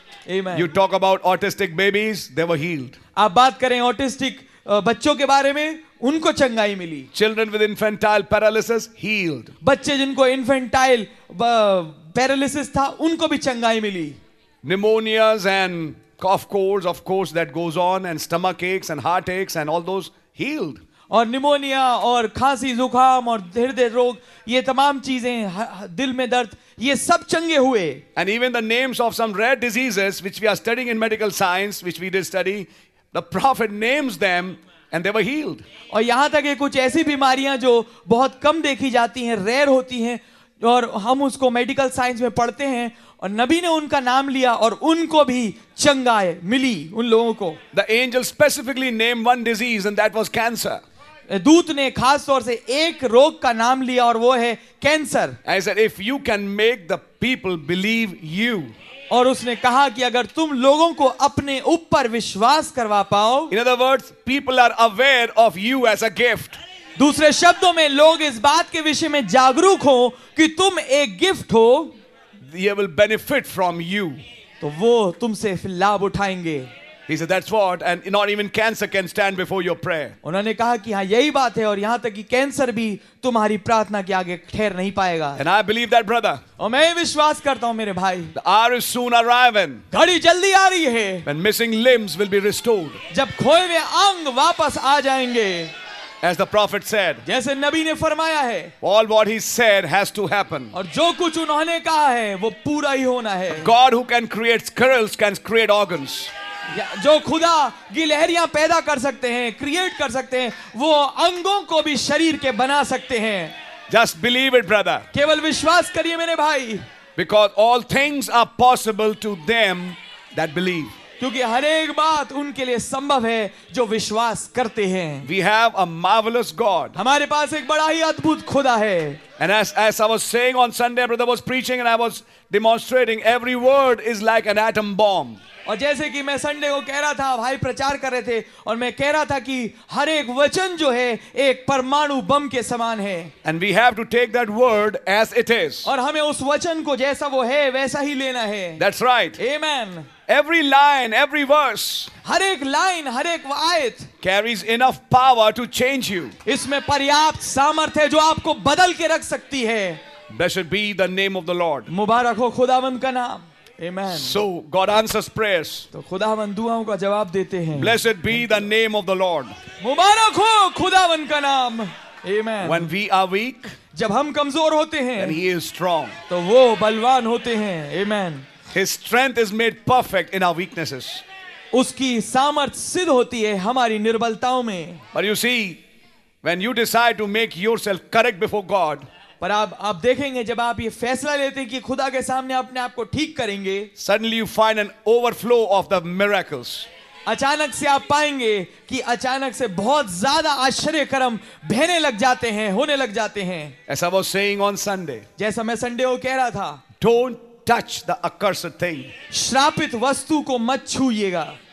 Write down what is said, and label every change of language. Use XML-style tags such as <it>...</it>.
<en>Amen. You talk about autistic babies, they were healed.</en> <hi>आप बात करें autistic बच्चों के बारे में, उनको चंगाई मिली.</hi> <en>Children with infantile paralysis healed.</en> <hi>बच्चे जिनको infantile paralysis था, उनको भी चंगाई मिली.</hi> <en>Pneumonias and cough colds, of course, that goes on, and stomach aches and heart aches and all those healed.</en> <hi>और निमोनिया और खांसी जुखाम और हृदय रोग, ये तमाम चीजें, दिल में दर्द, ये सब चंगे हुए.</hi> <en>And even the names of some rare diseases which we are studying in medical science, which we did study, the prophet names them. And they were healed.</en> <hi>और यहाँ तक कि कुछ ऐसी बीमारियाँ जो बहुत कम देखी जाती हैं, रेयर होती हैं, और हम उसको मेडिकल साइंस में पढ़ते हैं, और नबी ने उनका नाम लिया और उनको भी चंगाई मिली, उन लोगों को.</hi> <en>The angel specifically named one disease, and that was cancer.</en> <hi>दूत ने खास तौर से एक रोग का नाम लिया और वो है cancer.</hi> <en>I said, if you can make the people believe you.</en> <hi>और उसने कहा कि अगर तुम लोगों को अपने ऊपर विश्वास करवा पाओ.</hi> <en>In other words, people are aware of you as a gift.</en> <hi>दूसरे शब्दों में लोग इस बात के विषय में जागरूक हो कि तुम एक गिफ्ट हो.</hi> <en>They will benefit from you.</en> <hi>तो वो तुमसे लाभ उठाएंगे.</hi> <en>He said, that's what, and not even cancer can stand before your prayer.</en> <hi>उन्होंने कहा कि हाँ यही बात है और यहाँ तक कि कैंसर भी तुम्हारी प्रार्थना के आगे ठहर नहीं पाएगा.</hi> <en>And I believe that, brother.</en> <hi>और मैं विश्वास करता हूँ मेरे भाई.</hi> <en>The hour is soon arriving.</en> <hi>घड़ी जल्दी आ रही है.</hi> <en>When missing limbs will be restored.</en> <hi>जब खोए हुए अंग वापस आ जाएंगे.</hi> <en>As the prophet said.</en> <hi>जैसे नबी ने फरमाया है.</hi> <en>All what he said has to happen.</en> <hi>और जो कुछ उन्होंने कहा है वो पूरा ही होना है.</hi> <en>God who can create squirrels can create organs.</en> <hi>जो खुदा गिलहरियां पैदा कर सकते हैं, क्रिएट कर सकते हैं, वो अंगों को भी शरीर के बना सकते हैं.</hi> <en>Just believe it, brother.</en> <hi>केवल विश्वास करिए मेरे भाई.</hi> <en>Because all things are possible to them that believe.</en> <hi>क्योंकि हर एक बात उनके लिए संभव है जो विश्वास करते हैं.</hi> <en>We have a marvelous God.</en> <hi>हमारे पास एक बड़ा ही अद्भुत खुदा है.</hi> <en>And as I was saying on Sunday, brother was preaching and I was demonstrating, every word is like an atom bomb.</en> <hi>और जैसे कि मैं संडे को कह रहा था, भाई प्रचार कर रहे थे और मैं कह रहा था कि हर एक वचन जो है एक परमाणु बम के समान है.</hi> <en>And we have to take that word as it is.</en> <hi>और हमें उस वचन को जैसा वो है वैसा ही लेना है.</hi> <en>That's right. Amen. Every line, every verse.</en> <hi>हर एक लाइन, हर एक आयत</hi> <en>carries enough power to change you.</en> <hi>इसमें पर्याप्त सामर्थ्य है जो आपको बदल के रख सकती है.</hi> <en>Blessed be the name of the Lord.</en> <hi>मुबारक हो खुदावंद का नाम.</hi> <en>Amen. So God answers prayers.</en> <hi>तो खुदावन दुआओं का जवाब देते हैं.</hi> <en>Blessed be the name of the Lord.</en> <hi>मुबारक हो खुदावन का नाम. Amen.</hi> <en>When we are weak,</en> <hi>जब हम कमजोर होते हैं,</hi> <en>then He is strong.</en> <hi>तो वो बलवान होते हैं. Amen.</hi> <en>His strength is made perfect in our weaknesses.</en> <hi>उसकी सामर्थ सिद्ध होती है हमारी निर्बलताओं में.</hi> <en>But you see, when you decide to make yourself correct before God.</en> <hi>पर आप देखेंगे जब आप ये फैसला लेते हैं कि खुदा के सामने अपने आप को ठीक करेंगे.</hi> <en>Suddenly you find an overflow of the miracles.</en> <hi>अचानक से आप पाएंगे कि अचानक से बहुत ज्यादा आश्चर्य कर्म बहने लग जाते हैं, होने लग जाते हैं.</hi> <en>As I was saying on Sunday,</en> <hi>जैसा मैं संडे को कह रहा था,</hi> <en>Don't touch the accursed thing.</en> <hi>श्रापित वस्तु को मत छूइएगा.</hi>